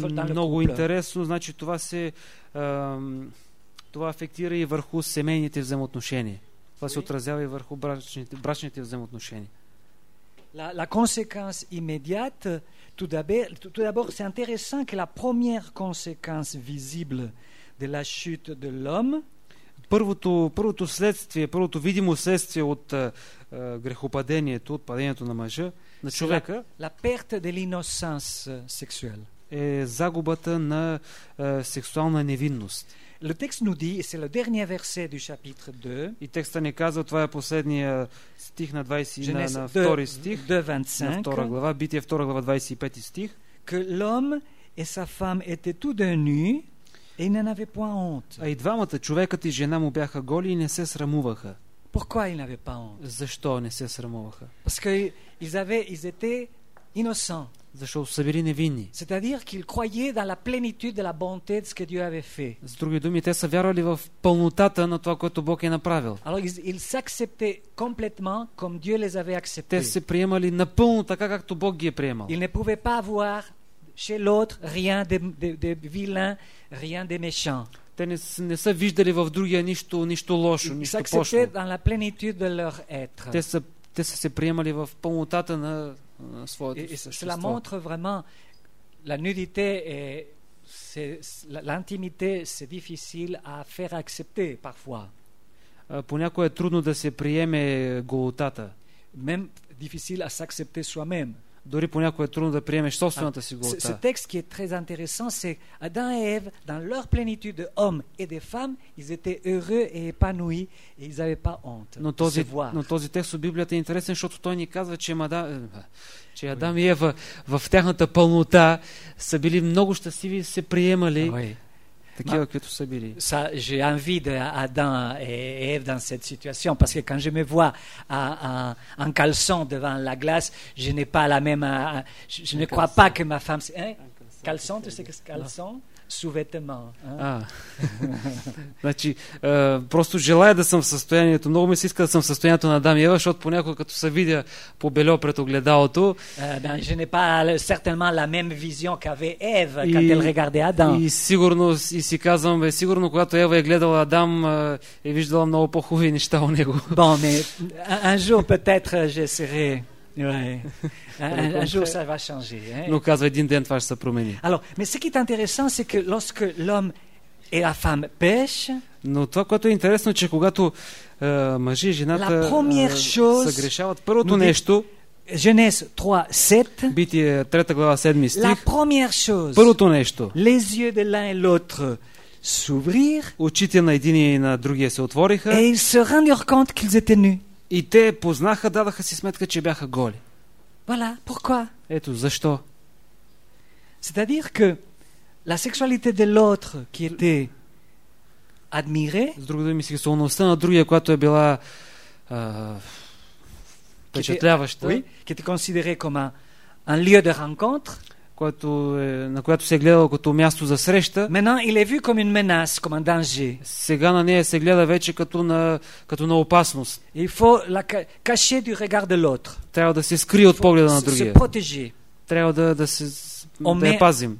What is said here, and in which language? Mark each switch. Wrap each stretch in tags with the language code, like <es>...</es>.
<bg>Много интересно, значи това се това афектира и върху семейните взаимоотношения. Това се отразява и върху брачните взаимоотношения.</bg> <fr>La conséquence immédiate, tout d'abord, c'est intéressant que la première conséquence visible de la chute de l'homme,</fr> <bg>първото видимо следствие от грехопадението, от падението на мъжа, на човека,</bg> <fr>la perte de l'innocence sexuelle,</fr> <bg>е загубата на сексуална невинност.</bg> <fr>Le texte nous dit, c'est le dernier verset du chapitre 2.</fr> <bg>И текста ни казва, това е последния стих на 22 стих. 2:25. На втора глава, Битие 2 глава 25 стих.</bg> <fr>Que l'homme et sa femme étaient tous deux nus et ils n'en avaient point honte.</fr> <bg>А и двамата, човекът и жена му бяха голи и не се срамуваха.</bg> <fr>Pourquoi ils n'avaient pas honte?</fr> <bg>Защо не се срамуваха?</bg> <fr>Parce que ils étaient innocents.</fr> <bg>Защото са били невинни.</bg> <fr>C'est-à-dire qu'ils croyaient dans la plénitude de la bonté de ce que Dieu avait fait.</fr> <bg>С други думи, те са вярвали в пълнотата на това, което Бог е направил.</bg> <fr>Alors ils s'acceptaient complètement comme Dieu les avait acceptés.</fr> <bg>Те се приемали напълно така, както Бог ги е приемал.</bg> <fr>Ils ne pouvaient pas avoir chez l'autre rien de vilain, rien de méchant.</fr> <bg>Те не са виждали в другия нищо лошо, нищо пошло.</bg> <fr>Ils s'acceptaient dans la plénitude de leur être.</fr> <bg>Те са се приемали в пълнотата на</bg> <fr>Cela montre vraiment la nudité et l'intimité, c'est difficile à faire accepter parfois.</fr> <bg>Понякога е трудно да се приеме голотата.</bg> <fr>Même difficile à s'accepter soi-même.</fr> <bg>Дори понякога е трудно да приемеш собствената си голота.</bg> <fr>Ce texte qui est très intéressant, c'est Adam et Ève, dans leur plénitude de hommes et de femmes, ils étaient heureux et épanouis et ils n'avaient pas honte.</fr> <bg>Но този текст от Библията е интересен, защото той ни казва, че Адам и Ева в тяхната пълнота са били много щастливи и се приемали.</bg> <fr>Oui.</fr> <bg>Такива, които са били.</bg> <fr>Ça, j'ai envie de Adam et Eve dans cette situation parce que quand je me vois en caleçon devant la glace, je n'ai pas la même je ne crois pas que ma femme c'est caleçon, tu sais que c'est caleçon, sous-vêtement.</fr> <bg>Значи, просто желая да съм в състоянието, много ми се иска да съм в състоянието на Адам и Ева, защото понякога като се видя по бельо пред огледалото,</bg> <fr>je n'ai pas certainement la même vision qu'avait Eve quand elle regardait Adam.</fr> <bg>И си казвам, сигурно когато Ева е гледала Адам, е виждала много по-хубави неща у него.</bg> <fr>Bon, mais un jour peut-être je serai un jour ça va changer, hein?</fr> <bg>Но казва, един ден това ще се промени.</bg> <fr>Alors, mais ce qui est intéressant, c'est que lorsque l'homme et la femme pêchent,</fr> <bg>но това, което е интересно, че когато мъжи и жената съгрешават, първото нещо,</bg> <fr>Genèse 3:7,</fr> <bg>Битие 3 глава 7 стих,</bg> <fr>la première chose,</fr> <bg>първото нещо,</bg> <fr>les yeux de l'un et l'autre s'ouvrir,</fr> <bg>очите на единия и на другия се отвориха,</bg> <fr>et ils se rendirent compte qu'ils étaient nus.</fr> <bg>И те познаха, дадаха си сметка, че бяха голи.</bg> <fr>Voilà, pourquoi?</fr> <bg>Ето защо.</bg> <fr>C'est-à-dire que la sexualité de l'autre qui était admirée,</fr> <bg>с други думи, сексуалността на другия, която е била впечатляваща,</bg> <fr>qui était considérée comme un lieu de rencontre,</fr> <bg>което е, на която се е гледало като място за среща.</bg> <fr>Maintenant, il est vu comme une menace, comme un danger.</fr> <bg>Сега на нея се гледа вече като на, като на опасност.</bg> <fr>Il faut la cacher du regard de l'autre.</fr> <bg>Трябва да се скрие от погледа на другия.</bg> <fr>Se protéger.</fr> <bg>Трябва да, да се да я пазим.</bg>